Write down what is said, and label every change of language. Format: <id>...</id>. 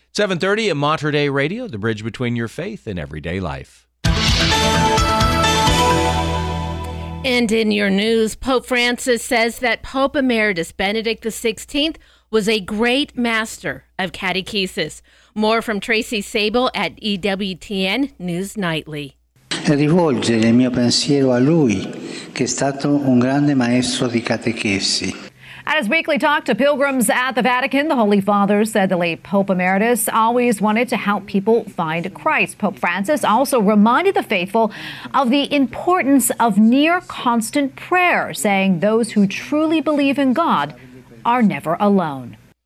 <en>7:30 at Mater Dei Radio, the bridge between your faith and everyday life. And in your news, Pope Francis says that Pope Emeritus Benedict XVI was a great master of catechesis. More from Tracy Sable at EWTN News Nightly.</en> <it>Rivolgere il mio pensiero a lui, che è stato un grande maestro di catechesi.</it> <en>At his weekly talk to pilgrims at the Vatican, the Holy Father said the late Pope Emeritus always wanted to help people find Christ. Pope Francis also reminded the faithful of the importance of near constant prayer, saying those who truly believe in God are never alone.</en>